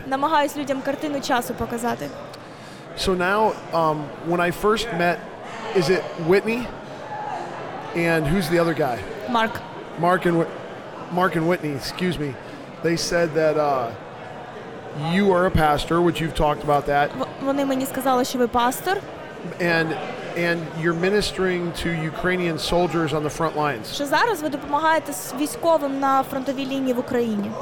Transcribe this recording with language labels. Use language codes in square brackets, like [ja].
[uk] Намагаюсь людям картину часу показати. [en] So now when I first met, is it Whitney? And who's the other guy? Mark. Mark and Whitney, excuse me. They said that you are a pastor, which you've talked about that. [uk] Вони мені сказали, що ви пастор. [en] And you're ministering to Ukrainian soldiers on the front lines. [uk] Що зараз ви допомагаєте військовим на фронтовій лінії в Україні?